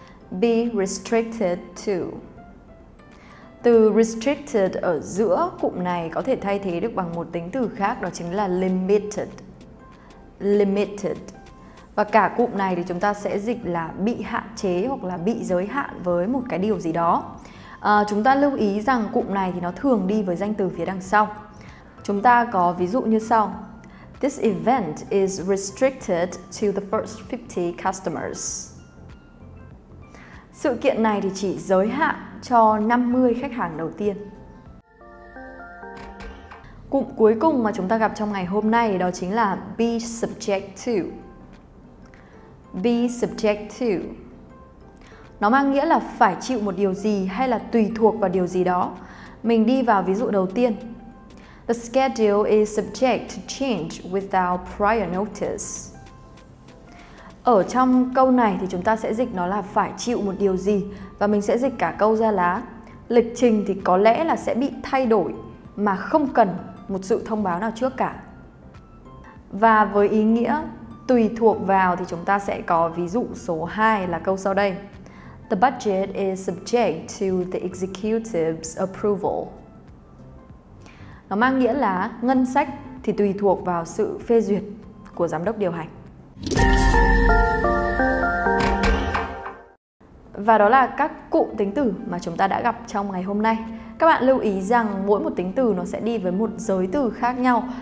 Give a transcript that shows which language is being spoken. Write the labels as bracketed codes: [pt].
[vi] Be restricted to. Từ restricted ở giữa cụm này có thể thay thế được bằng một tính từ khác, đó chính là limited. Limited. Và cả cụm này thì chúng ta sẽ dịch là bị hạn chế hoặc là bị giới hạn với một cái điều gì đó. Chúng ta lưu ý rằng cụm này thì nó thường đi với danh từ phía đằng sau. Chúng ta có ví dụ như sau. [en] This event is restricted to the first 50 customers. [vi] Sự kiện này thì chỉ giới hạn cho 50 khách hàng đầu tiên. Cụm cuối cùng mà chúng ta gặp trong ngày hôm nay đó chính là be subject to. Be subject to. Nó mang nghĩa là phải chịu một điều gì hay là tùy thuộc vào điều gì đó. Mình đi vào ví dụ đầu tiên. [en] The schedule is subject to change without prior notice. [vi] Ở trong câu này thì chúng ta sẽ dịch nó là phải chịu một điều gì. Và mình sẽ dịch cả câu ra là lịch trình thì có lẽ là sẽ bị thay đổi mà không cần một sự thông báo nào trước cả. Và với ý nghĩa tùy thuộc vào thì chúng ta sẽ có ví dụ số 2 là câu sau đây. [en] The budget is subject to the executive's approval. [vi] Nó mang nghĩa là ngân sách thì tùy thuộc vào sự phê duyệt của giám đốc điều hành. Và đó là các cụm tính từ mà chúng ta đã gặp trong ngày hôm nay. Các bạn lưu ý rằng mỗi một tính từ nó sẽ đi với một giới từ khác nhau.